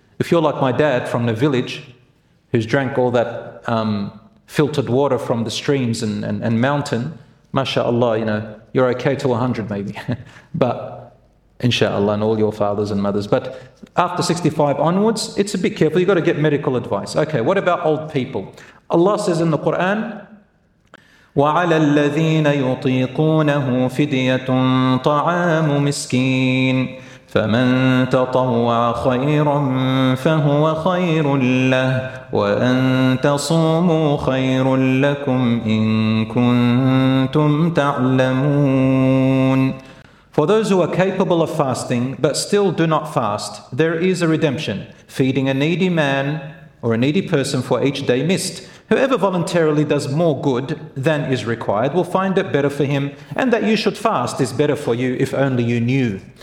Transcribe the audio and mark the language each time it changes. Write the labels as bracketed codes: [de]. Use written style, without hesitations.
[en] If you're like my dad from the village, who's drank all that filtered water from the streams and mountain, mashallah, you know, you're okay to 100 maybe. But inshallah, and all your fathers and mothers. But after 65 onwards, it's a bit careful. You've got to get medical advice. Okay, what about old people? Allah says in the Quran, [ar] وَعَلَى الَّذِينَ يُطِيقُونَهُ فِدْيَةٌ طَعَامُ مِسْكِينَ فَمَنْ تَطَوَّعَ خَيْرًا فَهُوَ خَيْرٌ لَّهُ وَأَنْ تَصُومُوا خَيْرٌ لَّكُمْ إِن كُنْتُمْ تَعْلَمُونَ. [en] For those who are capable of fasting but still do not fast, there is a redemption, feeding a needy man or a needy person for each day missed. Whoever voluntarily does more good than is required will find it better for him, and that you should fast is better for you if only you knew.